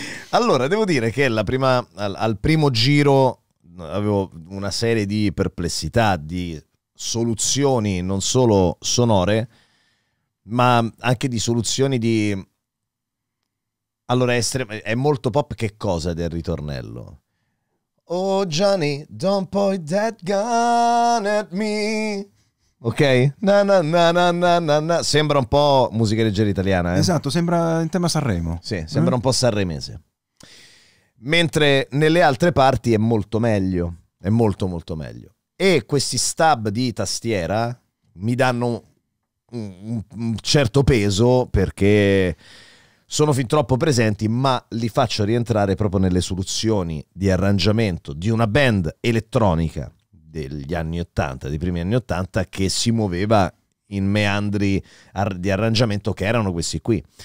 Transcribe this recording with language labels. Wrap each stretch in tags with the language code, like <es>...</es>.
<it>Allora, devo dire che la prima, al primo giro avevo una serie di perplessità, di soluzioni non solo sonore, ma anche di soluzioni di... Allora, è molto pop, che cosa del ritornello?</it> <en>Oh Johnny, don't point that gun at me.</en> <it>Ok? Na na na na na na na. Sembra un po' musica leggera italiana, eh? Esatto, sembra in tema Sanremo. Sì, sembra un po' sanremese. Mentre nelle altre parti è molto meglio. È molto molto meglio. E questi stab di tastiera mi danno un certo peso, perché sono fin troppo presenti, ma li faccio rientrare proprio nelle soluzioni di arrangiamento di una band elettronica degli anni 80, dei primi anni 80, che si muoveva in meandri di arrangiamento che erano questi qui.</it>